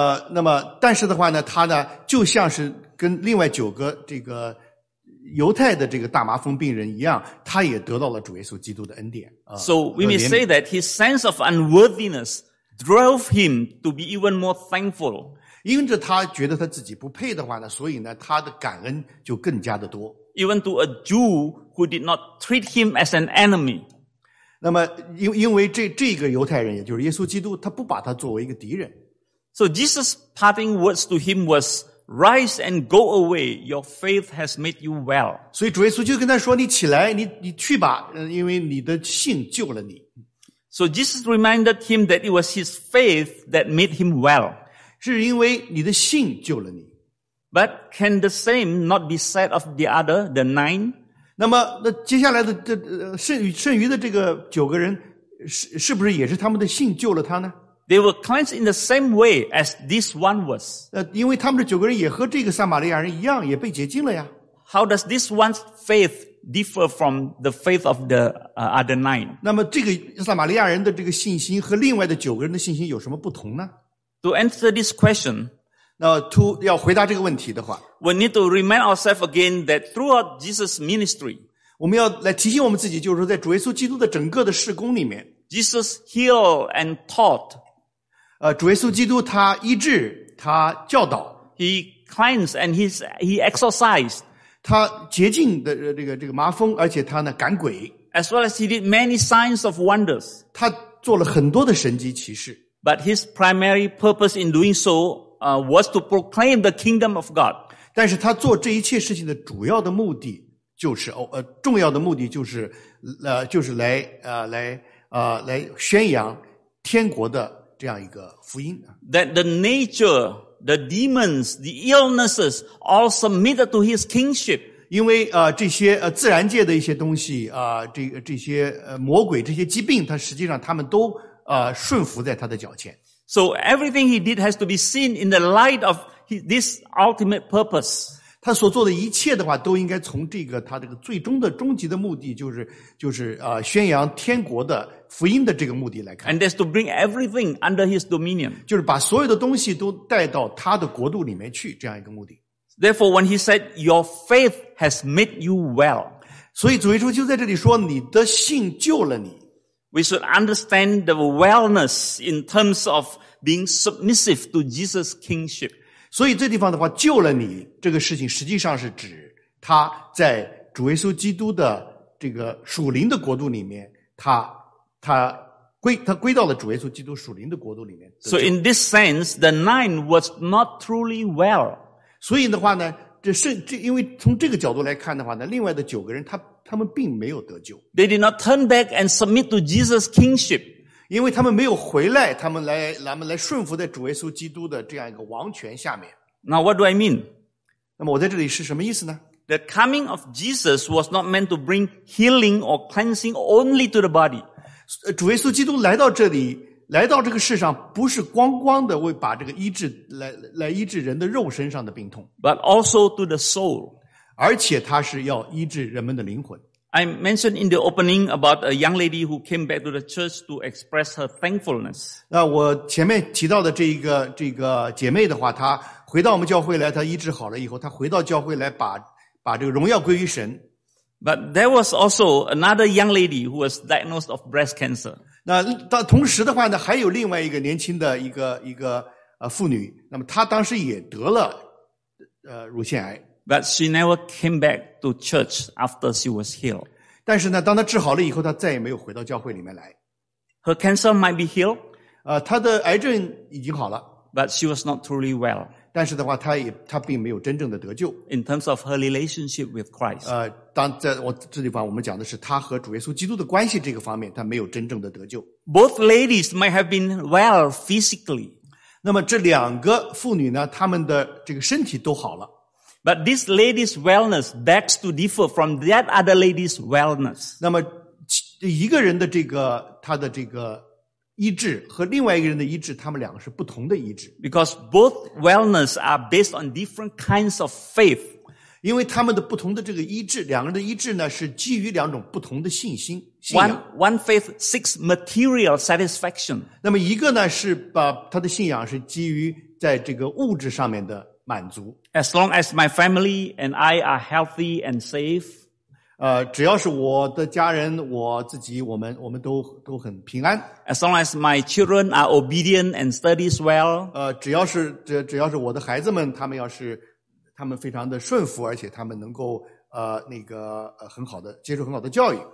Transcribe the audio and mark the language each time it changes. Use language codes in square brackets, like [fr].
[zh] 那么但是的话呢，他呢就像是跟另外九个这个犹太的这个大麻风病人一样，他也得到了主耶稣基督的恩典。 [en] So we may say that his sense of unworthiness drove him to be even more thankful. [zh] 因着他觉得他自己不配的话呢，所以呢，他的感恩就更加的多。 [en] Even to a Jew who did not treat him as an enemy. [zh] 那么因为这个犹太人，也就是耶稣基督，他不把他作为一个敌人。 [en] So Jesus' parting words to him was, "Rise and go away. Your faith has made you well." [zh] 所以主耶稣就跟他说：“你起来，你去吧，因为你的信救了你。” [en] So Jesus reminded him that it was his faith that made him well. [zh] 是因为你的信救了你。 [en] But can the same not be said of the other, the 9? [zh] 那么那接下来的剩余的这个九个人是不是也是他们的信救了他呢？ [en] They were cleansed in the same way as this one was. [zh] 因为他们的九个人也和这个撒玛利亚人一样也被洁净了呀。 [en] How does this one's faith differ from the faith of the other 9? [zh] 那么这个撒玛利亚人的这个信心和另外的九个人的信心有什么不同呢？ [en] To answer this question, [zh] 那要回答这个问题的话， [en] we need to remind ourselves again that throughout Jesus' ministry, [zh] 我们要来提醒我们自己，就是说在主耶稣基督的整个的事工里面， [en] Jesus healed and taught, [zh] 主耶稣基督他医治，他教导， [en] He cleansed and he exercised, [zh] 他洁净的这个麻风，而且他呢赶鬼。 [en] As well as he did many signs of wonders. [zh] 他做了很多的神迹奇事。 [en] But his primary purpose in doing so, was to proclaim the kingdom of God. [zh] 但是他做这一切事情的主要的目的就是重要的目的就是来宣扬天国的这样一个福音。 [en] That the nature,the demons, the illnesses, all submitted to his kingship. [zh] 因为这些自然界的一些东西这些魔鬼这些疾病他实际上他们都顺服在他的脚前。 [en] So everything he did has to be seen in the light of this ultimate purpose. [zh] 他所做的一切的话都应该从这个他这个最终的终极的目的就是宣扬天国的福音的这个目的来看。 [en] And that's to bring everything under his dominion. [zh] 就是把所有的东西都带到他的国度里面去，这样一个目的。 [en] Therefore, when he said, your faith has made you well. [zh] 所以主耶稣就在这里说，你的信救了你。 [en] We should understand the wellness in terms of being submissive to Jesus' kingship. [zh] 所以这地方的话，救了你，这个事情实际上是指他在主耶稣基督的这个属灵的国度里面，他归到了主耶稣基督属灵的国度里面。 [en] So in this sense, the 9 was not truly well. [zh] 所以的话呢，因为从这个角度来看的话呢，另外的九个人他们并没有得救。 [en] They did not turn back and submit to Jesus' kingship. [zh] 因为他们没有回来，他们来顺服在主耶稣基督的这样一个王权下面。 [en] Now what do I mean? [zh] 那么我在这里是什么意思呢？ [en] The coming of Jesus was not meant to bring healing or cleansing only to the body. [zh] 主耶稣基督来到这里，来到这个世上，不是光光的为把这个医治来医治人的肉身上的病痛。 [en] But also to the soul. [zh] 而且他是要医治人们的灵魂。 [en] I mentioned in the opening about a young lady who came back to the church to express her thankfulness. [zh] 那我前面提到的这个姐妹的话，她回到我们教会来，她医治好了以后，她回到教会来把这个荣耀归于神。 [en] But there was also another young lady who was diagnosed of breast cancer. [zh] 那同时的话呢，还有另外一个年轻的一个妇女，那么她当时也得了乳腺癌。 [en] But she never came back to church after she was healed. [zh] 但是呢，当她治好了以后，她再也没有回到教会里面来。 [en] Her cancer might be healed. [zh] 她的癌症已经好了。 [en] But she was not truly well. [zh] 但是的话，她并没有真正的得救。 [en] In terms of her relationship with Christ. [zh] 当在我这地方，我们讲的是她和主耶稣基督的关系这个方面，她没有真正的得救。 [en] Both ladies might have been well physically. [zh] 那么这两个妇女呢，她们的这个身体都好了。 [en] But this lady's wellness begs to differ from that other lady's wellness. [zh] 那么一个人的他的医治和另外一个人的医治，他们两个是不同的医治。 [en] Because both wellness are based on different kinds of faith. [zh] 因为他们的不同的这个医治，两个人的医治呢，是基于两种不同的信仰。 [en] One faith seeks material satisfaction. [zh] 那么一个呢，是把他的信仰是基于在这个物质上面的满足。 [en] As long as my family and I are healthy and safe, [zh] 只要是我的家人，我自己，我们都很平安。 [en] As long as my children are obedient and studies well, [zh] 只要是我的孩子们，他们非常的顺服，而且他们能够很好的接受很好的教育。